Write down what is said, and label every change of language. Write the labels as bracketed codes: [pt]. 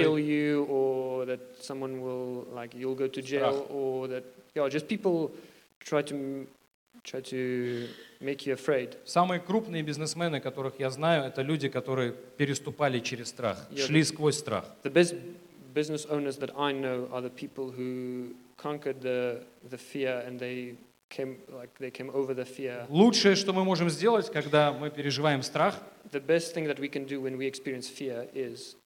[en] Kill you, or that someone will, like, you'll go to jail, [ru] страх. [en] Or that, you know, just people try to try to make you afraid. [ru] Самые крупные бизнесмены, которых я знаю, это люди, которые переступали через страх, шли сквозь страх. [en] The best business owners that I know are the people who conquered the fear and they came over the fear. [ru] Лучшее, что мы можем сделать, когда мы переживаем страх, [en] the best thing that we can do when we experience fear is